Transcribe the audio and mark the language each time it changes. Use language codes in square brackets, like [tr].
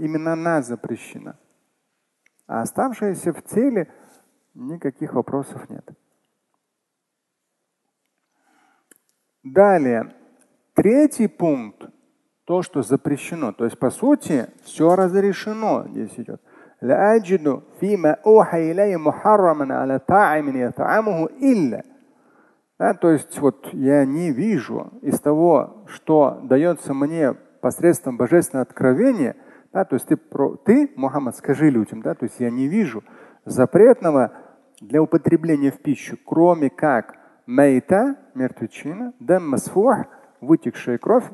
[ru] Именно она запрещена. А оставшаяся в теле никаких вопросов нет. Далее, третий пункт, то, что запрещено. То есть, по сути, все разрешено. Здесь идет. [ar] لَأَجِدُ فِيمَا أُوحَى إِلَيْهِ مُحَرَّمًا عَلَى طَاعِمٍ يَطْعَمُهُ إِلَّا. [ru] Да, то есть вот я не вижу из того, что дается мне посредством божественного откровения, да, то есть ты, Мухаммад, скажи людям, да, то есть я не вижу запретного для употребления в пищу, кроме как мейта, мертвечина, дэммасфух, вытекшая кровь.